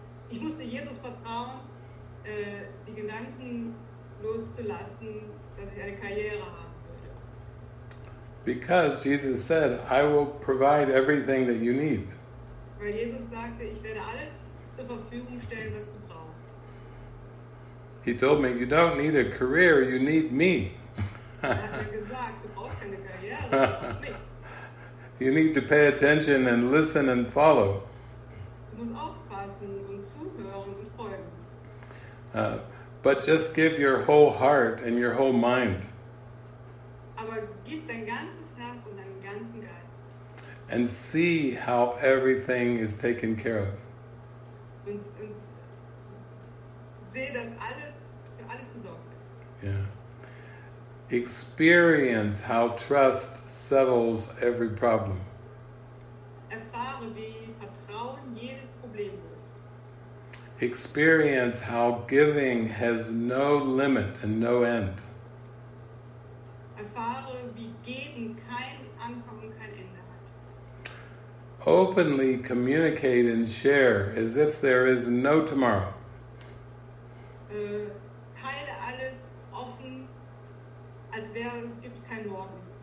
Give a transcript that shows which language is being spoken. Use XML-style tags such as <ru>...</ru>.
<de>Ich musste Jesus vertrauen, die Gedanken loszulassen, dass ich eine Karriere haben würde.</de> <en>Because Jesus said, I will provide everything that you need.</en> <de>Weil Jesus sagte, ich werde alles zur Verfügung stellen, was du brauchst.</de> <en>He told me, you don't need a career, you need me.</en> <de>Er hat mir gesagt, du brauchst keine Karriere, du brauchst mich.</de> <en>You need to pay attention and listen and follow.</en> <de>Du musst aufpassen und zuhören und folgen.</de> <en>But just give your whole heart and your whole mind.</en> <de>Aber gib dein ganzes Herz und deinen ganzen Geist.</de> <en>And see how everything is taken care of.</en> <de>Und sehe, dass alles besorgt ist.</de> <en>Yeah. Experience how trust settles every problem.</en> <de>Erfahre, wie Vertrauen jedes Problem löst.</de> <en>Experience how giving has no limit and no end.</en> <de>Erfahre, wie Geben kein Anfang und kein Ende.</de> <en>Openly communicate and share as if there is no tomorrow.</en> <de>Teile alles offen, als wäre gibt's kein Morgen.</de>